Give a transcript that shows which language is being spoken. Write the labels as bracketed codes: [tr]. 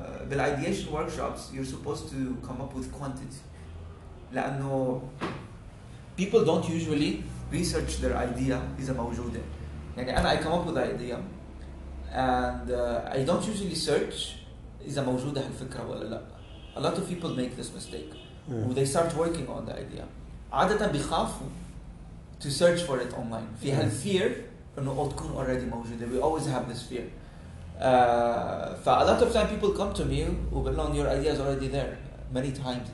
[en] بالideation workshops you're supposed to come up with quantity, لأنه people don't usually research their idea [ar] إذا موجودة. يعني أنا [en] I come up with the idea and I don't usually search [ar] إذا موجودة هالفكرة ولا لا. [en] A lot of people make this mistake when they start working on the idea. [ar] عادة بيخافوا [en] to search for it online. [ar] في هالfear إنه تكون [en] already [ar] موجودة. [en] We always have this fear. A lot of time people come to me who belong your idea is already there many times.